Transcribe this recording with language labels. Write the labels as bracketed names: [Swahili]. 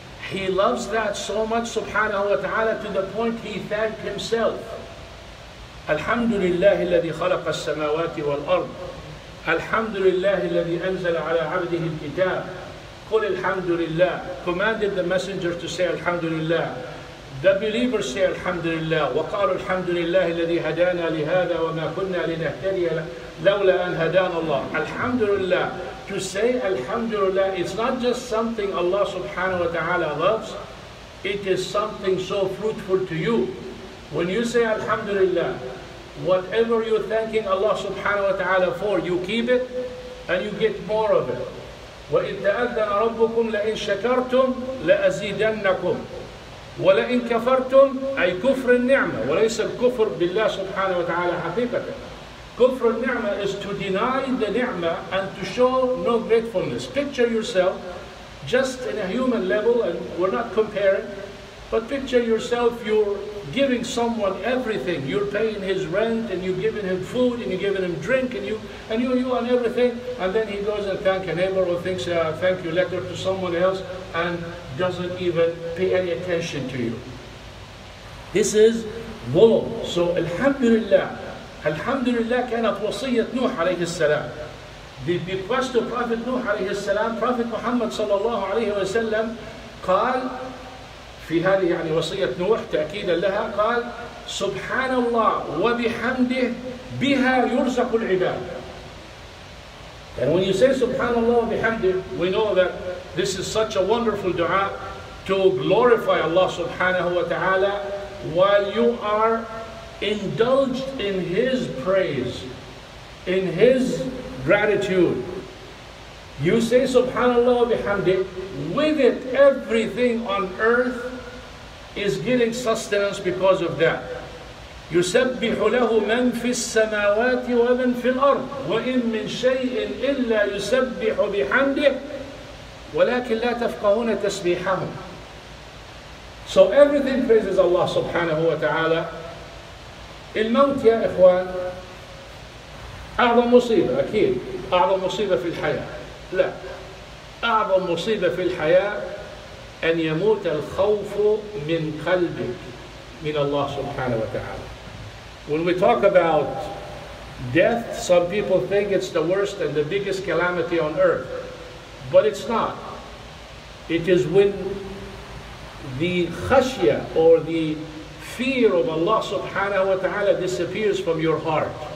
[English] He loves that so much subhanahu wa ta'ala to the point He thanked Himself. [Arabic] الحمد لله الذي خلق السماوات والأرض، الحمد لله الذي أنزل على عبده الكتاب. قل الحمد لله. [English] Commanded the messenger to say الحمد لله. The believers say الحمد لله. [Arabic] وقالوا الحمد لله الذي هدانا لهذا وما كنا لنهتدي لولا أن هدانا الله. الحمد لله. [English] To say الحمد لله is not just something Allah subhanahu wa ta'ala loves. It is something so fruitful to you. When you say Alhamdulillah, whatever you're thanking Allah subhanahu wa ta'ala for, you keep it and you get more of it. [Arabic] وَإِذْ تَأَذَّنَ رَبُّكُمْ لَإِنْ شَكَرْتُمْ لَأَزِيدَنَّكُمْ وَلَإِنْ كَفَرْتُمْ أَيْ كُفْرِ النِّعْمَةِ. وليس الكفر بالله سبحانه وتعالى حقيقة. [English] كفر النعمة is to deny the ni'mah and to show no gratefulness. Picture yourself just in a human level, and we're not comparing, but picture yourself, you're giving someone everything. You're paying his rent and you're giving him food and you're giving him drink and you and everything. And then he goes and thank a neighbor or thinks a thank you letter to someone else and doesn't even pay any attention to you. This is wulm. So Alhamdulillah. [Arabic] Alhamdulillah كانت وصية نوح عليه السلام. [English] The bequest of Prophet Nuh [Arabic] عليه السلام, Prophet Muhammad صلى الله عليه وسلم قال في هذه يعني وصية نوح تأكيدا لها, قال سبحان الله وبحمده بها يرزق العباد. [English] And when you say subhanallah wa bihamdih, we know that this is such a wonderful dua to glorify Allah subhanahu wa ta'ala while you are indulged in His praise, in His gratitude. You say subhanallah wa bihamdih, with it everything on earth is getting sustenance because of that. [Arabic] يُسَبِّحُ لَهُ مَنْ فِي السَّمَاوَاتِ وَمَنْ فِي الْأَرْضِ وَإِنْ مِنْ شَيْءٍ إِلَّا يُسَبِّحُ بِحَمْدِهِ وَلَكِنْ لَا تَفْقَهُونَ تَسْبِيحَهُمْ. [English] So everything praises Allah subhanahu wa ta'ala. [Arabic] الموت يا إخوان أعظم مصيبة أكيد. أعظم مصيبة في الحياة. لا. أعظم مصيبة في الحياة أن يموت الخوف من قلبك من الله سبحانه وتعالى. [English] When we talk about death, some people think it's the worst and the biggest calamity on earth. But it's not. It is when the khashya or the fear of Allah subhanahu wa ta'ala disappears from your heart.